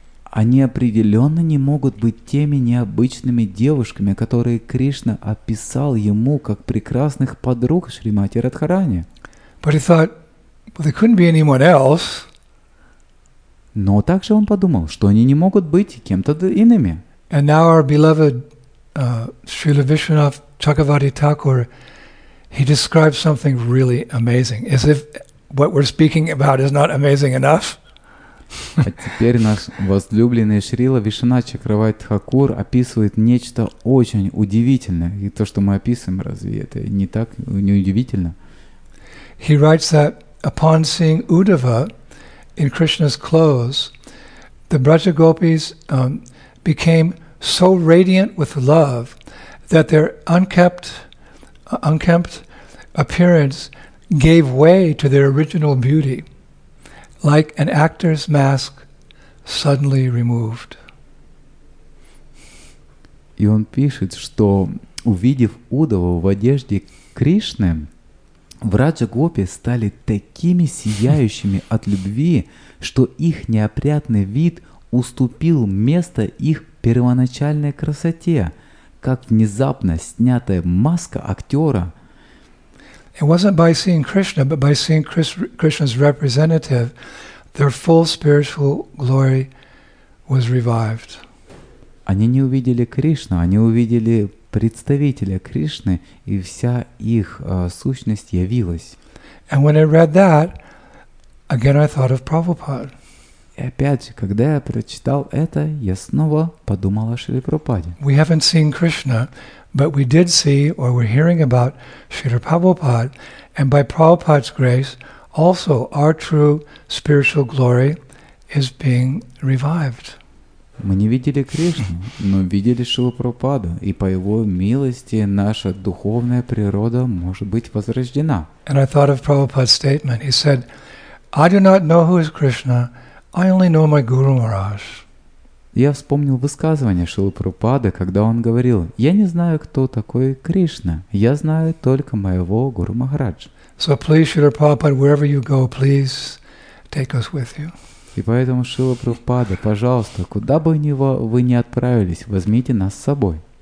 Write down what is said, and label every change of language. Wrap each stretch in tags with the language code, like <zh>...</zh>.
<ru>Они определенно не могут быть теми необычными девушками, которые Кришна описал ему как прекрасных подруг Шримати Радхарани.</ru> <en>But he thought, well, there couldn't be anyone else.</en> <ru>Но также он подумал, что они не могут быть кем-то иными.</ru> <en>And now our beloved Srila Vishwanath Chakravarti Thakur, he describes something really amazing, as if what we're speaking about is not amazing enough.</en> <ru>А теперь наш возлюбленный Шрила Вишванат Чакравати Тхакур описывает нечто очень удивительное. И то, что мы описываем, разве это не так неудивительно?</ru> <en>He writes that upon seeing Uddhava in Krishna's clothes, the Braja gopis became so radiant with love that their unkempt appearance gave way to their original beauty. Like an actor's mask suddenly removed.</en> <ru>И он пишет, что увидев Уддхаву в одежде Кришны, враджа-гопи стали такими сияющими от любви, что их неопрятный вид уступил место их первоначальной красоте, как внезапно снятая маска актера.</ru> <en>It wasn't by seeing Krishna, but by seeing Krishna's representative, their full spiritual glory was revived.</en> <ru>Они не увидели Кришну, они увидели представителя Кришны, и вся их сущность явилась.</ru> <en>And when I read that, again I thought of Prabhupada.</en> <ru>И опять же, когда я прочитал это, я снова подумал о Шриле Прабхупаде.</ru> <en>We haven't seen Krishna, but we did see or we're hearing about Srila Prabhupada, and by Prabhupada's grace, also our true spiritual glory is being revived.</en> <ru>Мы не видели Кришну, но видели Шрилу Прабхупаду, и по его милости наша духовная природа может быть возрождена.</ru> <en>And I thought of Prabhupada's statement. He said, "I do not know who is Krishna. I only know my Guru Maharaj."</en> <ru>Я вспомнил высказывание Шрилы Прабхупады, когда он говорил: "Я не знаю, кто такой Кришна. Я знаю только моего Гуру Махарадж."</ru> <en>So please, Srila Prabhupada, wherever you go, please take us with you.</en> <ru>И поэтому, Шрила Прабхупада, пожалуйста, куда бы вы ни отправились, возьмите нас с собой.</ru>